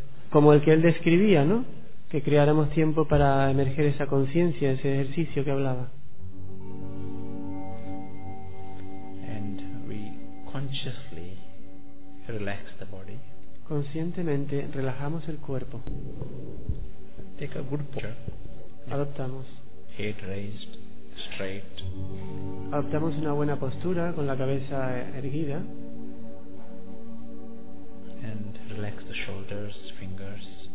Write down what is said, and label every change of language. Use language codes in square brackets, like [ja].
[es] Como el que él describía, ¿no? Que creáramos tiempo para emerger esa conciencia, ese ejercicio que hablaba. [en] And we consciously relax the body. [es] Conscientemente relajamos el cuerpo. [en] Take a good picture. [es] Adoptamos. [en] Head raised, straight. [es] Adoptamos una buena postura con la cabeza erguida. [en] And relax the shoulders, fingers.